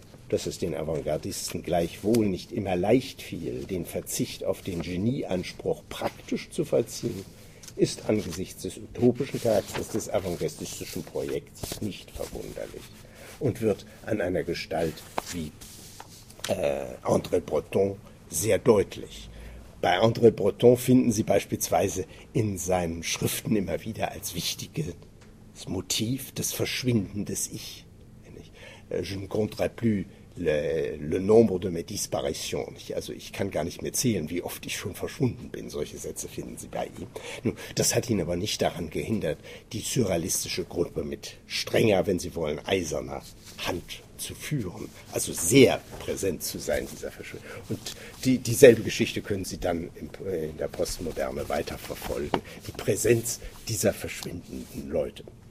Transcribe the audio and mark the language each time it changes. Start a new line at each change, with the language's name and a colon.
German: Dass es den Avantgardisten gleichwohl nicht immer leicht fiel, den Verzicht auf den Genieanspruch praktisch zu vollziehen, ist angesichts des utopischen Charakters des avantgardistischen Projekts nicht verwunderlich und wird an einer Gestalt wie André Breton sehr deutlich. Bei André Breton finden Sie beispielsweise in seinen Schriften immer wieder als wichtiges Motiv das Verschwinden des Ich.
French: Je ne compterai plus le nombre de mes disparitions.
German: Also ich kann gar nicht mehr zählen, wie oft ich schon verschwunden bin. Solche Sätze finden Sie bei ihm. Nun, das hat ihn aber nicht daran gehindert, die surrealistische Gruppe mit strenger, wenn Sie wollen, eiserner Hand zu führen, also sehr präsent zu sein, dieser Verschwörung. Und dieselbe Geschichte können Sie dann in der Postmoderne weiterverfolgen, die Präsenz dieser verschwindenden Leute.